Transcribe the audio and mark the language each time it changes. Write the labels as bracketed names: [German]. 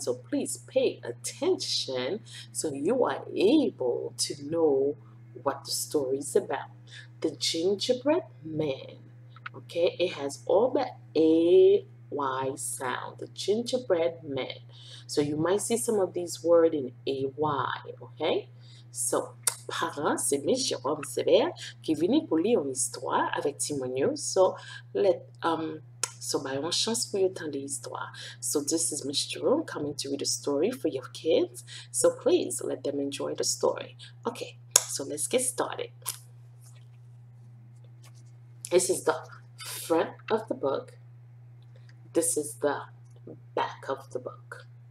[English] So please pay attention so you are able to know what the story is about. The Gingerbread Man. Okay, it has all the A-Y sound. The Gingerbread Man. So you might see some of these words in A-Y. [French] Okay, so parents, c'est Miss Jerome Severe qui venait pour lire une histoire avec Timonio. [English] So let so by one chance for you to tell the story. So this is Miss Jerome coming to read a story for your kids. So please let them enjoy the story. Okay, so let's get started. This is the front of the book. This is the back of the book.